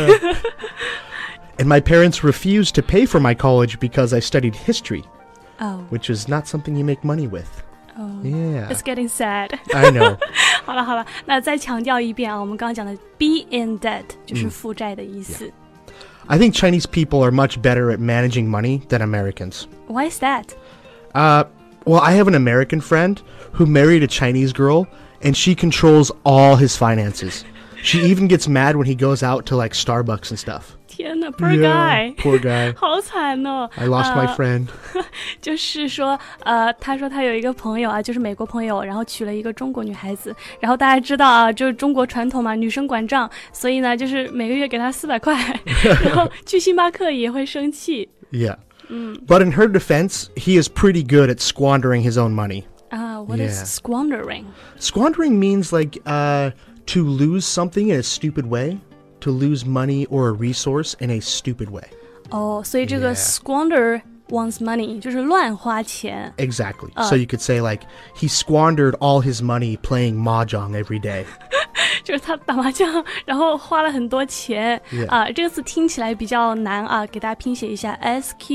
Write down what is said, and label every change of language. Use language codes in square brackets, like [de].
[en] Yeah. And my parents refused to pay for my college because I studied history. Oh. Which is not something you make money with. Oh. Yeah. It's getting sad. I know. [zh] 好了好了那再强调一遍啊我们刚刚讲的 [en] be in debt, [zh] 就是负债的意思。 [en] Yeah. I think Chinese people are much better at managing money than Americans. Why is that? Well, I have an American friend who married a Chinese girl.And she controls all his finances. She even gets mad when he goes out to like Starbucks and stuff. [zh] 天哪 ， [en] poor guy， yeah, poor guy， [zh] 好惨哦。 [en] I lost my friend。 [zh] 就是说，他说他有一个朋友啊，就是美国朋友，然后娶了一个中国女孩子。然后大家知道啊，就是中国传统嘛，女生管账，所以呢，就是每个月给他400块，然后去星巴克也会生气。 [en] Yeah。 But in her defense, he is pretty good at squandering his own money. What is squandering? Squandering means like to lose something in a stupid way, to lose money or a resource in a stupid way. Oh, so this squander one's money, [zh] 就是乱花钱 [en] Exactly. So you could say like he squandered all his money playing mahjong every day. [zh] 就是他打麻将，然后花了很多钱啊。 [en] Yeah. [zh] 这个词听起来比较难啊，给大家拼写一下 ：squander.